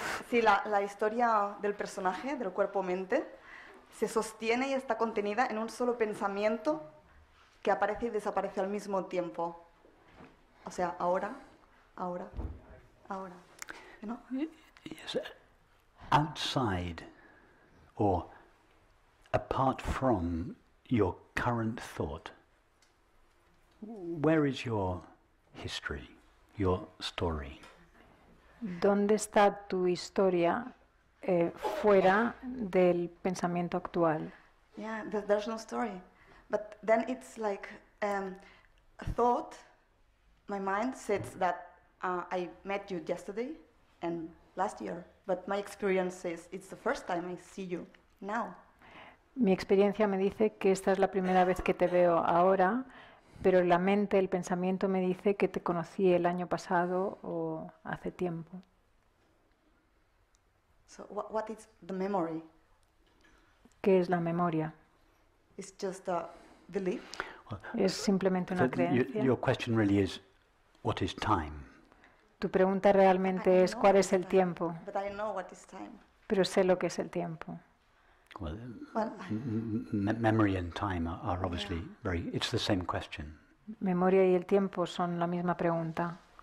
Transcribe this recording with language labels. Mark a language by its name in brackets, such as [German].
[Spanish] Sí, la historia del personaje, del cuerpo-mente, se sostiene y está contenida en un solo pensamiento que aparece y desaparece al mismo tiempo. O sea, ahora, ahora, ahora. ¿No? [English] Yes, outside or apart from your current thought, where is your history, your story? [Spanish] ¿Dónde está tu historia fuera del pensamiento actual? [English] Yeah, there's no story. But then it's like a thought, my mind says that I met you yesterday and last year, but my experience says it's the first time I see you now. [Spanish] Mi experiencia me dice que esta es la primera vez que te veo ahora, pero la mente, el pensamiento me dice que te conocí el año pasado o hace tiempo. [English] So what is the memory? [Spanish] ¿Qué es la memoria? [English] It's just a belief. [Spanish] Es simplemente una creencia. [English] Your question really is, what is time? [Spanish] Tu pregunta realmente es, ¿cuál es el tiempo? [English] But I know what is time. [Spanish] Pero sé lo que es el tiempo. [English] Well, memory and time are obviously very—it's the same question. [Spanish] Memoria y el tiempo son la misma pregunta.